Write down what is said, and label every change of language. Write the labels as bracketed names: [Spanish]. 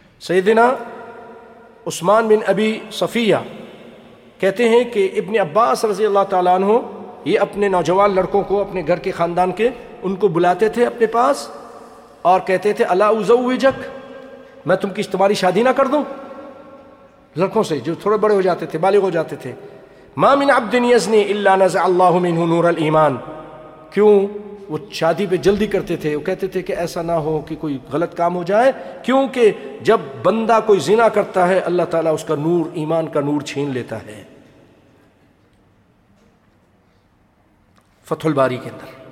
[Urdu] سیدنا عثمان بن ابی صفیہ کہتے ہیں کہ ابن عباس رضی اللہ تعالیٰ عنہ یہ اپنے نوجوان لڑکوں کو اپنے گھر کے خاندان کے ان کو بلاتے تھے اپنے پاس اور کہتے تھے [Arabic] الا ازوجک، [Urdu] میں تم کی تمہاری شادی نہ کر دوں، لڑکوں سے جو تھوڑے بڑے ہو جاتے تھے، بالغ ہو جاتے تھے، [Arabic] ما من عبد يزني الا نزع الله منه نور الايمان. [Urdu] کیوں وہ شادی پہ جلدی کرتے تھے؟ وہ کہتے تھے کہ ایسا نہ ہو کہ کوئی غلط کام ہو جائے، کیونکہ جب بندہ کوئی زنا کرتا ہے اللہ تعالیٰ اس کا نور، ایمان کا نور چھین لیتا ہے. فتح الباری کے اندر.